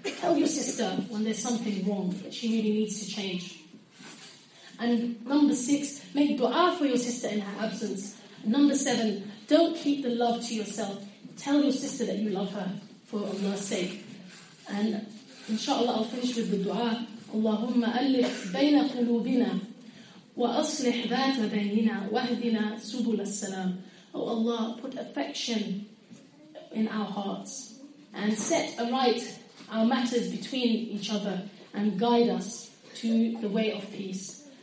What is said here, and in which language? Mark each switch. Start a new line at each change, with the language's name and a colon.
English: Tell your sister when there's something wrong that she really needs to change. And number six, make dua for your sister in her absence. Number seven, don't keep the love to yourself. Tell your sister that you love her for Allah's sake. And inshallah, I'll finish with the dua.
Arabic: اللهم ألف بين قلوبنا وأصلح ذات بيننا واهدنا سبل السلام.
English: Oh Allah, put affection in our hearts and set aright our matters between each other and guide us to the way of peace.